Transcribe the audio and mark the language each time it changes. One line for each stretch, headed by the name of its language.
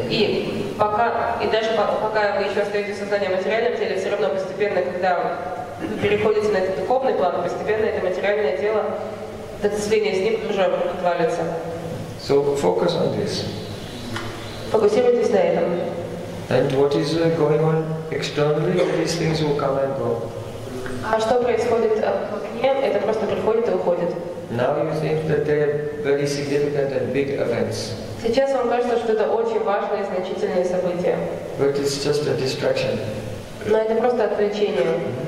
Russian: И даже пока вы еще остаетесь в сознании материальном теле, все равно постепенно, когда вы переходите на этот духовный план, постепенно это материальное тело, это сведение с ним уже отвалится.
English: So focus on this.
Russian: Фокусируйтесь на этом.
English: And what is going on externally, these things will come and go.
Russian: А что происходит в окне, это просто приходит и уходит.
English: Now you think that they are very significant and big events.
Russian: Сейчас вам кажется, что это очень важное и значительное событие.
English: But it's just a distraction.
Russian: Но это просто отвлечение.